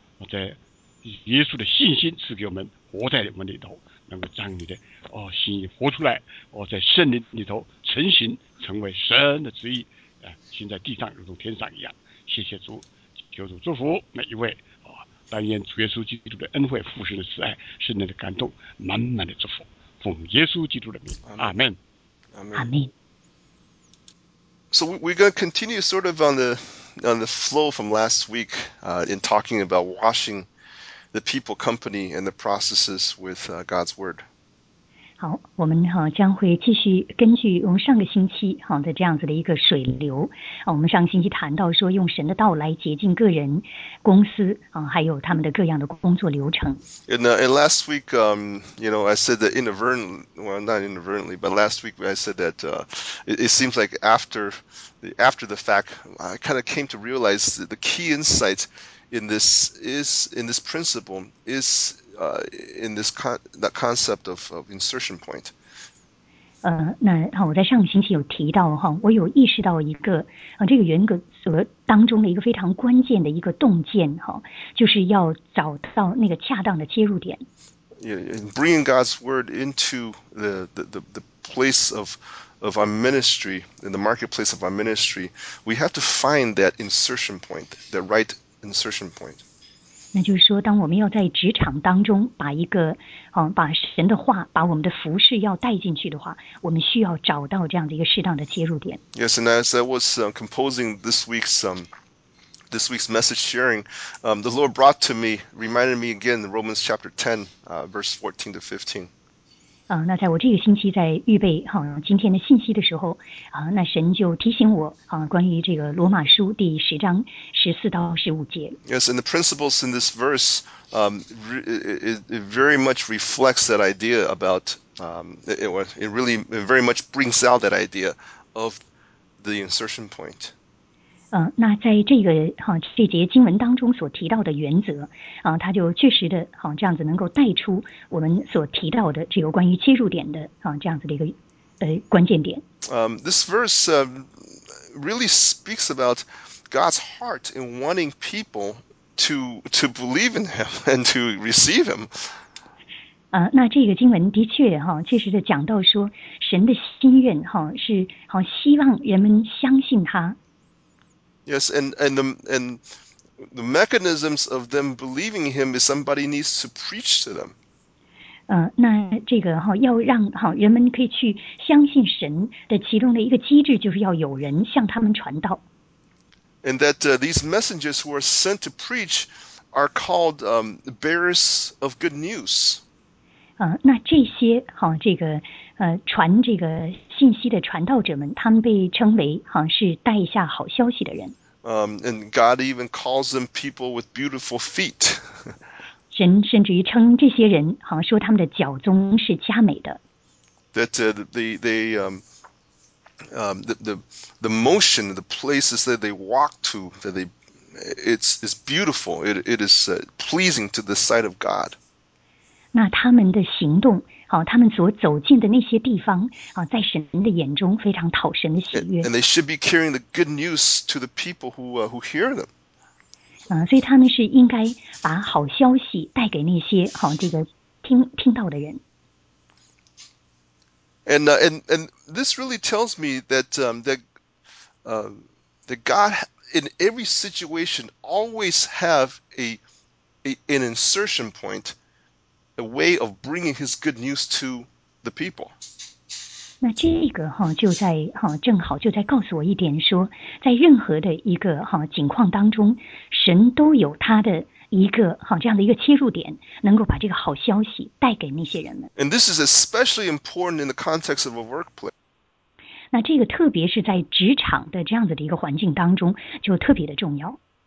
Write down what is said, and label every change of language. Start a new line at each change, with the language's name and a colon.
Chinese: 在耶稣的信心赐给我们，活在我们里头，能够将你的心意活出来在圣灵里头成型，成为神的旨意行在地上如同天上一样。谢谢主，求主祝福每一位但愿主耶稣基督的恩惠、父神的慈爱、圣灵的感动满满的祝福，奉耶稣基督的名，阿门，阿门。
English: So we're going to continue sort of on the flow from last week in talking about washing the people, company, and the processes with God's word.
Chinese: 好，我们将会继续根据我们上个星期的这样子的一个水流我们上星期谈到说用神的道来洁净个人、公司还有他们的各样的工作流程。
English: And last week, I said that last week I said that it seems like after the fact, I kind of came to realize that the key insight in this concept of insertion point.
Chinese: 我在上个星期有提到我有意识到一个这个原则当中的一个非常关键的一个洞见就是要找到那个恰当的切入点。
English: Yeah, bringing God's word into the place of our ministry, in the marketplace of our ministry, we have to find that insertion point, the right insertion point.
Chinese: 那就是说当我们要在职场当中把一个把神的话把我们的服事要带进去的话我们需要找到这样的一个适当的切入点。
English: Yes, and as I was composing this week's message sharing, the Lord brought to me, reminded me again, Romans chapter 10, verse 14 to 15.
Chinese: 那在我这个星期在预备今天的信息的时候那神就提醒我关于这个罗马书第十章十四到十五节。
English: Yes, and the principles in this verse, it very much reflects that idea about, it really very much brings out that idea of the insertion point.
Chinese: 那在这个这节经文当中所提到的原则它就确实的这样子能够带出我们所提到的这个关于切入点的这样子的一个关键点。
English: This verse really speaks about God's heart in wanting people to believe in Him and to receive Him.
Chinese: 那这个经文的确确实的讲到说神的心愿是希望人们相信他。
English: Yes, and the mechanisms of them believing him is somebody needs to preach to them.
Chinese: 那这个要让人们可以去相信神的其中的一个机制就是要有人向他们传道。
English: And that these messengers who are sent to preach are called bearers of good news.
Chinese: 那这些这个传这个信息的传道者们他们被称为是带下好消息的人。
English: And God even calls them people with beautiful feet.
Chinese: 神甚至于称这些人说他们的脚踪是佳美的。
English: That the motion, the places that they walk to, that they, it's beautiful. It is pleasing to the sight of God.
Chinese: 那他们的行动他们所走进的那些地方在神的眼中非常讨神的喜悦。
English: And they should be carrying the good news to the people who hear them.
Chinese: 所以他们是应该把好消息带给那些这个听到的人。
English: And this really tells me that, that God in every situation always have an insertion point. A way of bringing his good news to the people.
Chinese: 那这个就在正好就在告诉我一点说在任何的一个情况当中神都有他的一个这样的一个切入点能够把这个好消息带给那些人们。
English: And this is especially important in the context of a workplace.
Chinese: 那这个特别是在职场的这样子的一个环境当中就特别的重要。